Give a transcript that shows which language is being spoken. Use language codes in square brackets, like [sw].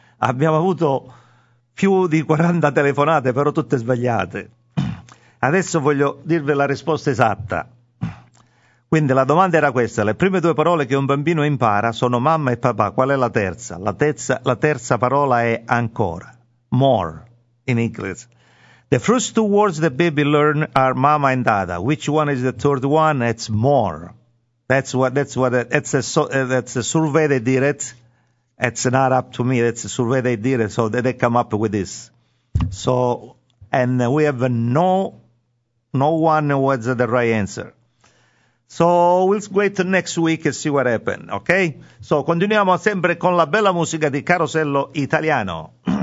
[it] Abbiamo avuto più di 40 telefonate, però tutte sbagliate. Adesso voglio dirvi la risposta esatta. Quindi la domanda era questa: le prime due parole che un bambino impara sono mamma e papà, qual è la terza? La terza parola è ancora, [en] more in English. The first two words the baby learn are mama and dada. Which one is the third one? It's more. That's a survey they did it. It's not up to me. It's a survey they did it. So they come up with this. So, and we have no one was the right answer. So we'll wait next week and see what happened. Okay? [it] So continuiamo sempre con la bella musica di Carosello Italiano.